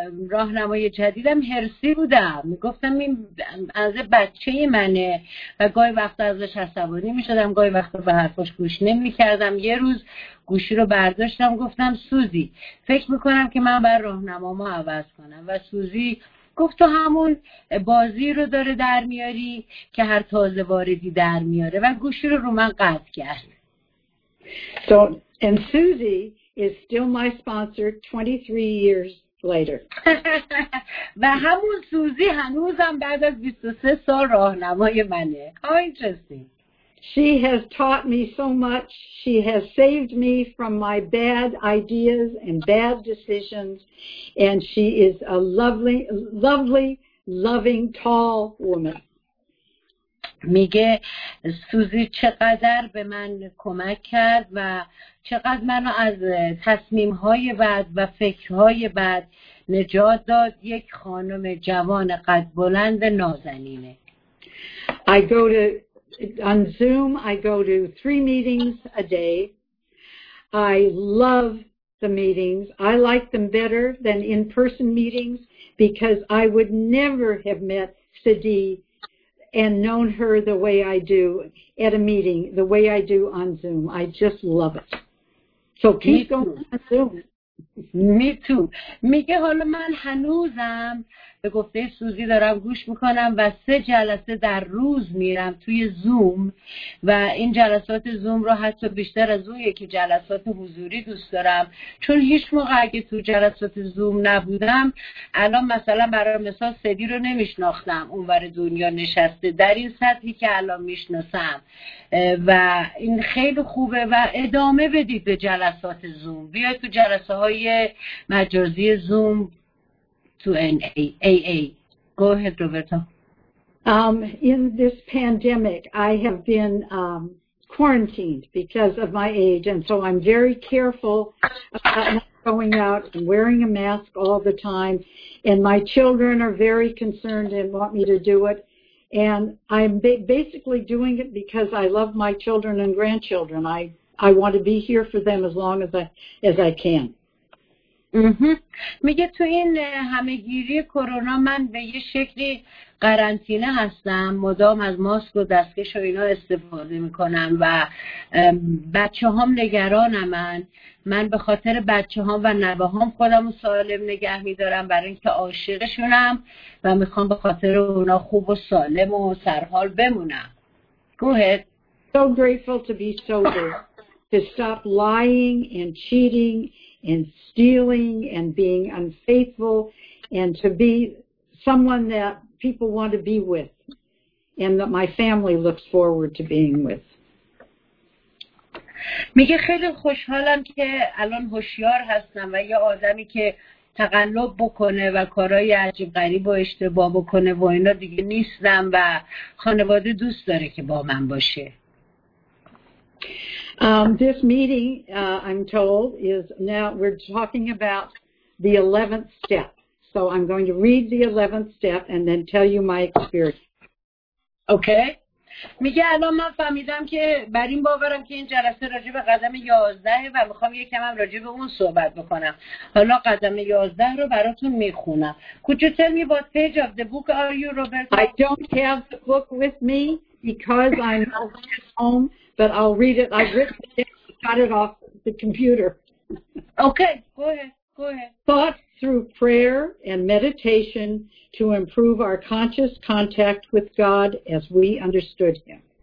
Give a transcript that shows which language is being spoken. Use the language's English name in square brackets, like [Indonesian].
[Persian] راهنمای جدیدم هرسی بودم، میگفتم این از بچه منه و گاهی وقت ازش عصبانی میشدم، گاهی وقت به حرفش گوش نمیکردم. یه روز گوشی رو برداشتم گفتم سوزی فکر میکنم که من بر راهنمامو عوض کنم، و سوزی گفت تو همون بازی رو داره در میاری که هر تازه واردی در میاره، و گوشی رو من قطع کرد. [English] So, and Susie is still my sponsor 23 years later. [Persian] و همون سوزی هنوزم بعد از 23 سال راهنمای منه. [English] How interesting. She has taught me so much. She has saved me from my bad ideas and bad decisions. And she is a lovely, lovely, loving, tall woman. [Persian] میگه سوزی چقدر به من کمک کرد و چقدر منو از تصمیم‌های بد و فکر‌های بد نجات داد. یک خانم جوان قد بلند نازنینه. [English] I go to on Zoom, I go to 3 meetings a day. I love the meetings. I like them better than in-person meetings because I would never have met Sadi and known her the way I do at a meeting, the way I do on Zoom. I just love it. So keep going on Zoom. Me too. [Persian] میگه حالا من هنوزم به گفته سوزی دارم گوش میکنم و 3 جلسه در روز میرم توی زوم، و این جلسات زوم رو حتی بیشتر از اون یکی جلسات حضوری دوست دارم، چون هیچ موقع اگه تو جلسات زوم نبودم الان مثلا برای مثال سدی رو نمیشناختم اونور دنیا نشسته در این سطحی که الان میشناسم، و این خیلی خوبه. و ادامه بدید به جلسات زوم، بیاید تو جلسه های مجازی زوم [English] to AA. Go ahead, Roberta. In this pandemic, I have been quarantined because of my age, and so I'm very careful about not going out and wearing a mask all the time, and my children are very concerned and want me to do it, and I'm basically doing it because I love my children and grandchildren. I want to be here for them as long as I can. [Persian] میگه تو این همه‌گیری کرونا من به یه شکلی قرنطینه هستم، مدام از ماسک و دستکش و اینا استفاده میکنم و بچه هم نگرانم. من به خاطر بچه هم و نوه هم خودم سالم نگه میدارم، برای اینکه عاشقشونم و میخوام به خاطر اونا خوب و سالم و سرحال بمونم. [English] Go ahead. So grateful to be sober, to stop lying and cheating and stealing and being unfaithful, and to be someone that people want to be with and that my family looks forward to being with. [Persian] میگه خیلی خوشحالم که الان هوشیار هستم و یه آدمی که تقلب بکنه و کارهای عجیب غریب و اشتباه بکنه و اینا دیگه نیستم، و خانواده دوست داره که با من باشه. [English] This meeting, I'm told, is now we're talking about the 11th step. So I'm going to read the 11th step and then tell you my experience. Okay. [Persian] میگه الان من فهمیدم که بر این باورم که این جلسه راجع به قدم 11 و میخوام یکم هم راجع به اون صحبت بکنم. حالا قدم 11 رو براتون میخونم. [English] Could you tell me what page of the book are you, Robert? I don't have the book with me because I'm not at home. But I'll read it. I've written it and cut it off the computer. Okay, go ahead. Thought through prayer and meditation to improve our conscious contact with God as we understood Him.